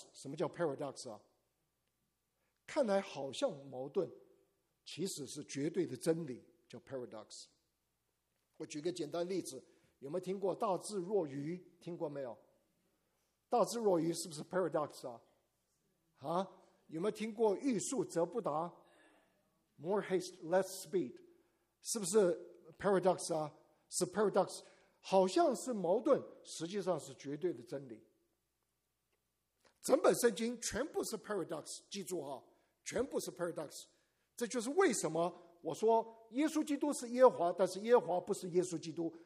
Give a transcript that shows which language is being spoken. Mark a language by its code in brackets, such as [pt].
[zh] 什么叫 paradox 啊？看来好像矛盾，其实是绝对的真理，叫 paradox。我举个简单例子，有没有听过大智若愚？听过没有？大智若愚是不是 paradox 啊？啊，有没有听过欲速则不达？ [en] More haste, less speed， [zh] 是不是 paradox 啊？是 paradox， 好像是矛盾，实际上是绝对的真理。整本圣经全部是 paradox， 记住啊，全部是 paradox。这就是为什么我说耶稣基督是耶和华，但是耶和华不是耶稣基督。